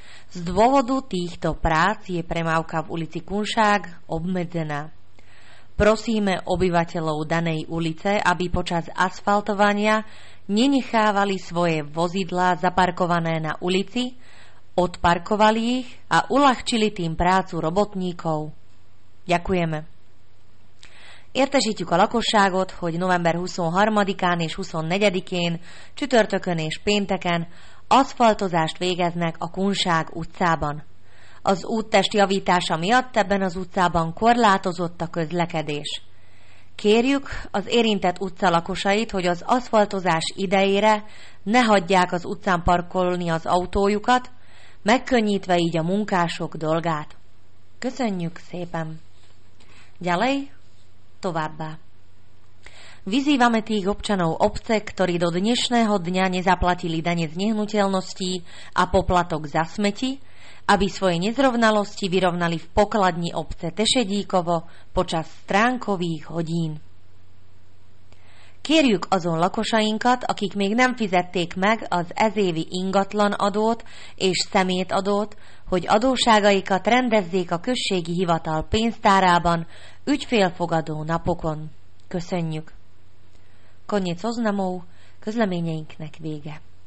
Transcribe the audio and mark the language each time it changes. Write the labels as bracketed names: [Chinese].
[Slovak] Z dôvodu týchto prác je premávka v ulici Kunšák obmedzená. Prosíme obyvateľov danej ulice, aby počas asfaltovania nenechávali svoje vozidlá zaparkované na ulici, odparkovali ich a uľahčili tým prácu robotníkov. Ďakujeme. [Hungarian] Értesítjük a lakosságot, hogy november 23-án és 24-én, csütörtökön és pénteken aszfaltozást végeznek a Kunság utcában. Az úttest javítása miatt ebben az utcában korlátozott a közlekedés. Kérjük az érintett utca lakosait, hogy az aszfaltozás idejére ne hagyják az utcán parkolni az autójukat, megkönnyítve így a munkások dolgát. Köszönjük szépen! [Slovak] Ďalej, [Hungarian] továbbá. [Slovak] Vyzývame tých občanov obce, ktorí do dnešného dňa nezaplatili dane z nehnuteľností a poplatok za smeti, aby svoje nezrovnalosti vyrovnali v pokladni obce Tešedíkovo počas stránkových hodín. [Hungarian] Kérjük azon lakosainkat, akik még nem fizették meg az ezévi ingatlan adót és szemét adót, hogy adóságaikat rendezzék a községi hivatal pénztárában ügyfélfogadó napokon. Köszönjük! [Slovak] Koniec oznamov, [Hungarian] közleményeinknek vége.